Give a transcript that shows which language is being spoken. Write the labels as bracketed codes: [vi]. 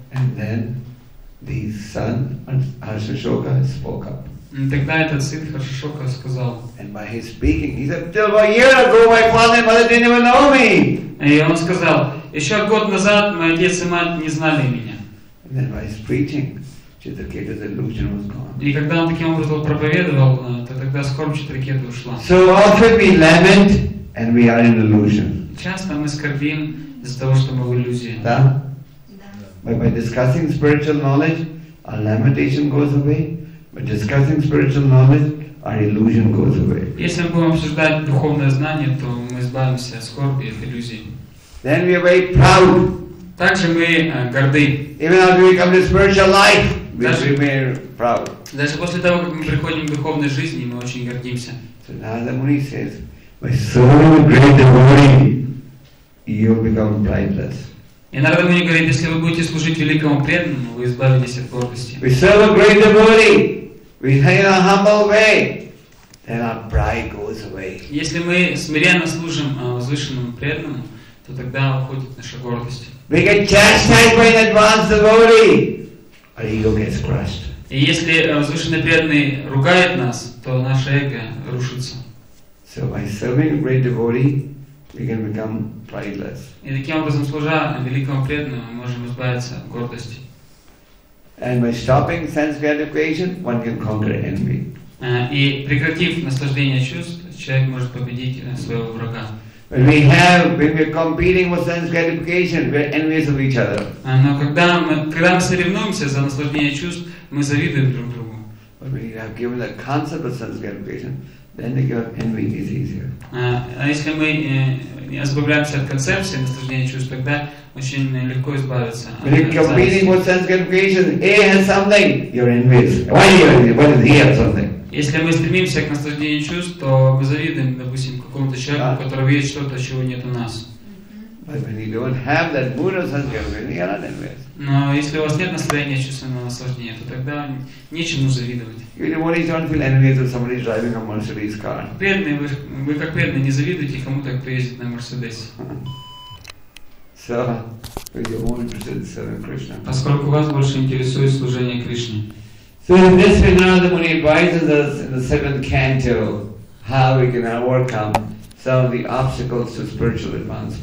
[en] And then the son, Arsashoka, spoke up. [ru] Тогда этот сын хорошо сказал. [en] And by his speaking, he said, "Till about a year ago, my father and mother didn't even know me." [ru] И он сказал: еще год назад мой отец и мать не знали меня. [en] And then by his preaching, Chitraketa's illusion was gone. [ru] И когда он таким образом проповедовал, то тогда скорбь Читракеты ушла. [en] So often we lament, and we are in illusion. [ru] Часто мы скорбим из-за того, что мы в иллюзии. Да. [en] By discussing spiritual knowledge, our lamentation goes away. But discussing spiritual knowledge, our illusion goes away. [ru] Если мы будем обсуждать духовное знание, то мы избавимся от скорби и от иллюзий. [en] Then we are very proud. [ru] Также мы горды. [en] Even after we come to spiritual life, we remain proud. [ru] Даже после того, как мы приходим к духовной жизни, мы очень гордимся. [en] So Narada Muni says, by so great devotee, you become prideless. [ru] И Нарада Муни говорит, если вы будете служить великому преданному, вы избавитесь от гордости. [en] We serve a great devotee. We say in a humble way, then our pride goes away. [ru] Если мы смиренно служим возвышенному преданному, то тогда уходит наша гордость. [en] We get chastised by an advanced devotee, our ego gets crushed. [ru] И если возвышенный преданный ругает нас, то наше эго рушится. [en] So by serving a great devotee, we can become prideless. [ru] И таким образом, служа великому преданному, мы можем избавиться от гордости. [en] And by stopping sense gratification, one can conquer envy. [ru] И прекратив наслаждение чувств, человек может победить своего врага. [en] When we are competing for sense gratification, we are envious of each other. [ru] Но когда мы соревнуемся за наслаждение чувств, мы завидуем друг другу. [en] But when you have given the concept of sense gratification, then the cure of envy is easier. [ru] А если мы не избавляемся от концепции наслаждения чувств, тогда очень легко избавиться. [en] When you're competing for sense gratification, A has something, you're envious. Why is he envious? Why does he have something? [ru] Если мы стремимся к наслаждению чувств, то мы завидуем, допустим, какому-то человеку, у которого есть что-то, чего нет у нас. [en] But when you don't have that mood of sense gratification, you're not envious. [ru] Но если у вас нет настроения чувственного наслаждения, то тогда нечему завидовать. [en] You don't feel envious of somebody driving a Mercedes car. [ru] Вы как преданные не завидуете кому-то, кто ездит на Мерседесе. [en] So, but you're more interested in serving Krishna. [ru] Поскольку вас больше интересует служение Кришне. [en] So in this way, Narada Muni advises us in the seventh canto how we can overcome some of the obstacles to spiritual advancement.